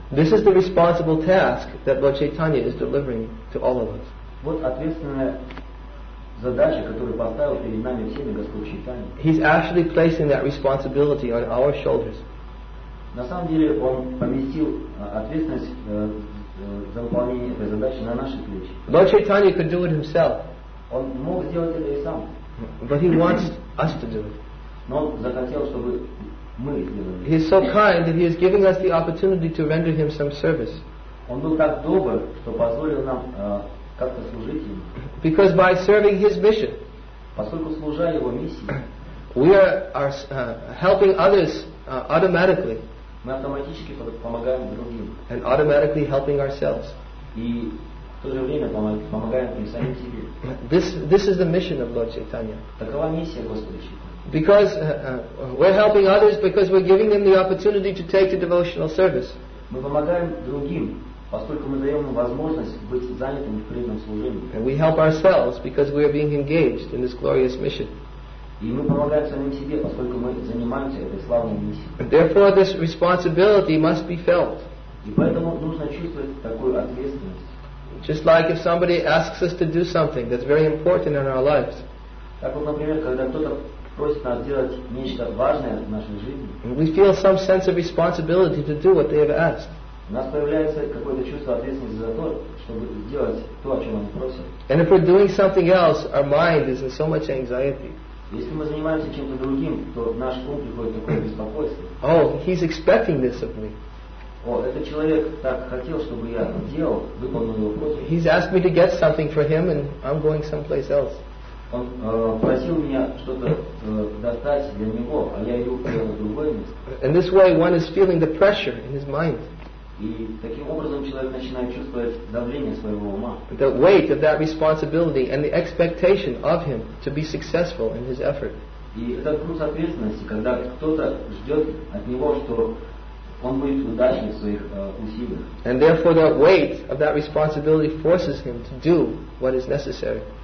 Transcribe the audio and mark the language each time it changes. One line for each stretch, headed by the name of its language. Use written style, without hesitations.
English: This is the responsible task that Lord Chaitanya is delivering to all of us.
Russian: Вот ответственная задача, которую поставил перед нами всеми Господь Чайтанья.
English: He's actually placing that responsibility on our shoulders.
Russian: На самом деле он поместил ответственность за выполнение этой задачи на наши плечи.
English: Lord Chaitanya could do it himself.
Russian: Он мог сделать это и сам.
English: But he wants us to do it.
Russian: Но он захотел, чтобы мы сделали.
English: He is so kind that he is giving us the opportunity to render him some service.
Russian: Он был так добр, что позволил нам как-то служить ему.
English: Because by serving his mission,
Russian: поскольку служа его миссии,
English: we are helping others automatically.
Russian: Мы автоматически помогаем другим.
English: And automatically helping ourselves.
Russian: И в то же время помогаем и самим себе.
English: This is the mission of Lord Chaitanya.
Russian: Такова миссия Господа Чайтаньи.
English: Because we're helping others because we're giving them the opportunity to take the devotional service.
Russian: Мы помогаем другим, поскольку мы даем им возможность быть занятыми в преданном служении.
English: And we help ourselves because we are being engaged in this glorious mission.
Russian: И мы помогаем самим себе, поскольку мы занимаемся этой славной миссией.
English: Therefore, this responsibility must be felt.
Russian: И поэтому нужно чувствовать такую ответственность.
English: Just like if somebody asks us to do something that's very important in our lives.
Russian: Так вот, например, когда кто-то просит нас делать нечто важное в нашей жизни.
English: We feel some sense of responsibility to do what they have asked.
Russian: У нас появляется какое-то чувство ответственности за то, чтобы сделать то, о чем они просят.
English: And if we're doing something else, our mind is in so much anxiety.
Russian: Если мы занимаемся чем-то другим, то в наш ум приходит такое беспокойство.
English: Oh, he's expecting this of me.
Russian: О, этот человек так хотел, чтобы я делал, выполнил его просьбу.
English: He's asked me to get something for him, and I'm going someplace else.
Russian: Он просил меня что-то достать для него, а я иду на другое место.
English: In this way, one is feeling the pressure in his mind.
Russian: И таким образом человек начинает чувствовать давление своего ума.
English: The weight of that responsibility and the expectation of him to be successful in his effort.
Russian: И этот груз ответственности, когда кто-то ждет от него, что он будет удачен в своих усилиях.
English: And therefore, the weight of that responsibility forces him to do what is necessary.